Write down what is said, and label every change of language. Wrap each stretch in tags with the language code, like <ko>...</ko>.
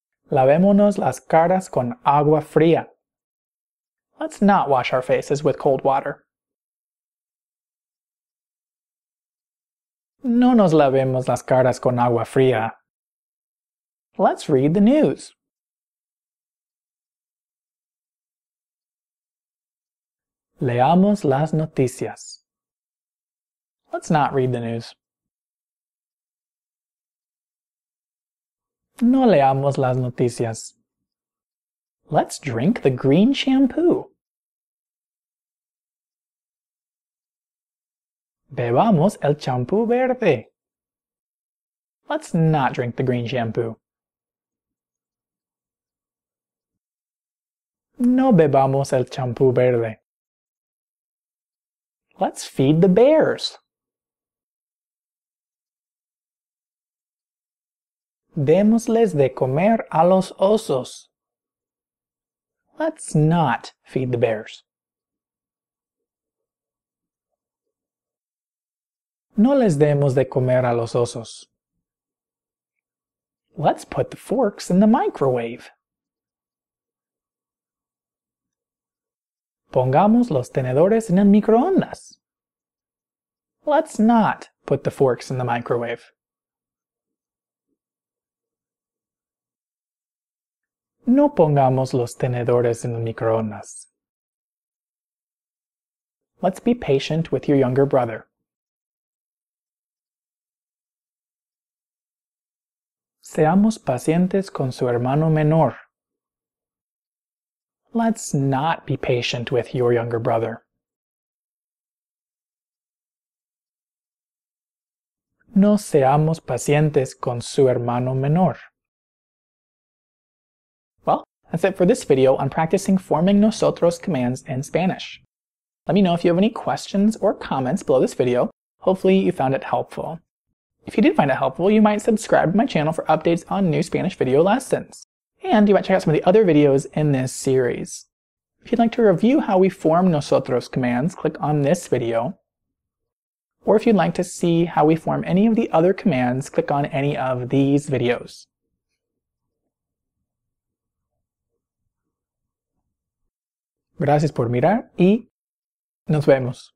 <es>Lavémonos las caras con agua fría.</es> <en>Let's not wash our faces with cold water.</en> <es>No nos lavemos las caras con agua fría.</es> <en>Let's read the news.</en> <es>Leamos las noticias.</es> <en>Let's not read the news.</en> <es>No leamos las noticias.</es> <en>Let's drink the green shampoo.</en> <es>Bebamos el champú verde.</es> <en>Let's not drink the green shampoo.</en> <es>No bebamos el champú verde.</es> <en>Let's feed the bears.</en> <es>Démosles de comer a los osos.</es> <en>Let's not feed the bears.</en> <es>No les demos de comer a los osos.</es> <en>Let's put the forks in the microwave.</en> <es>Pongamos los tenedores en el microondas.</es> <en>Let's not put the forks in the microwave.</en> <es>No pongamos los tenedores en el microondas.</es> <en>Let's be patient with your younger brother.</en> <es>Seamos pacientes con su hermano menor.</es> <en>Let's not be patient with your younger brother.</en> <es>No seamos pacientes con su hermano menor.</es> <en>Well, that's it for this video on practicing forming nosotros commands in Spanish. Let me know if you have any questions or comments below this video. Hopefully you found it helpful. If you did find it helpful, you might subscribe to my channel for updates on new Spanish video lessons. And you might check out some of the other videos in this series. If you'd like to review how we form nosotros commands, click on this video. Or if you'd like to see how we form any of the other commands, click on any of these videos.</en> <es>Gracias por mirar y nos vemos.</es>